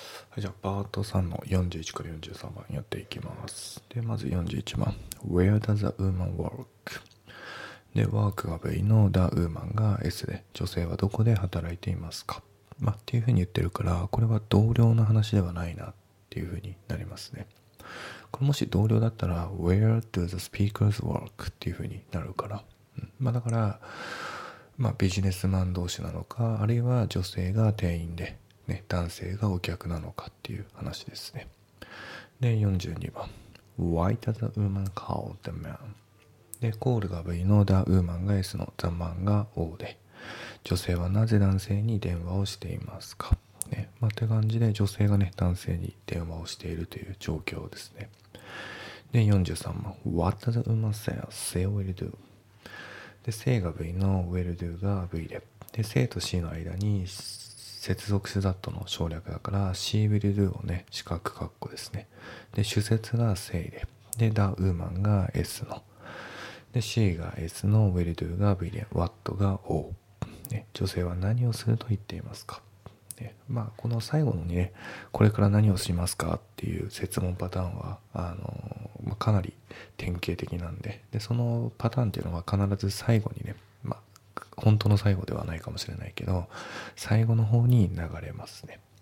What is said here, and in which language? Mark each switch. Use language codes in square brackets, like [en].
[ja] はい、じゃあパート3の41から43番やっていきます。でまず41番 [en] Where does a woman work? [ja] でワークが V の The woman が S で女性はどこで働いていますか、まあ、っていうふうに言ってるからこれは同僚の話ではないなっていうふうになりますね。これもし同僚だったら [en] Where do the speakers work? [ja] っていうふうになるから、まあ、だから、まあ、ビジネスマン同士なのかあるいは女性が店員で男性がお客なのかっていう話ですね。で42番 [en] Why does a woman call the man? [ja] でコールが V の The woman が S の The man が O で女性はなぜ男性に電話をしていますか、ねまあ、って感じで女性がね男性に電話をしているという状況ですね。で43番 [en] What does a woman say? Say will do? [ja] で Say が V の Will do が V で Say と Say の間に接続詞だとの省略だから C will do をね四角括弧ですね。で主節が say で the woman が S ので C が S の will do が V で what が O、ね、女性は何をすると言っていますか、ね、まあこの最後のねこれから何をしますかっていう設問パターンはまあ、かなり典型的なん でそのパターンっていうのは必ず最後にね本当の最後ではないかもしれないけど最後の方に流れますね。